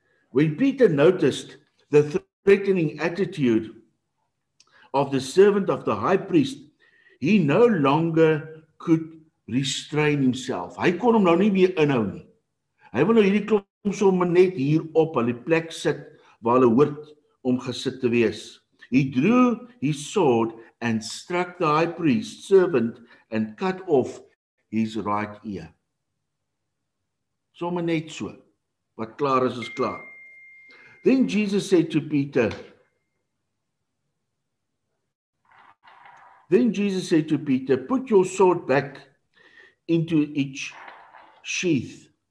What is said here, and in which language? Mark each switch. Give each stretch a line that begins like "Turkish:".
English: When Peter noticed the threatening attitude of the servant of the high priest, he no longer could restrain himself.
Afrikaans: Hy kon hom nou nie meer inhou nie. Hy wil nou hierdie klomp sommer net hier op hulle plek sit waar hulle hoort om gesit te wees.
English: He drew his sword and struck the high priest's servant and cut off his right ear.
Afrikaans: Sommer net so, wat klaar is, is klaar.
English: Then Jesus said to Peter, "Put your sword back into its sheath.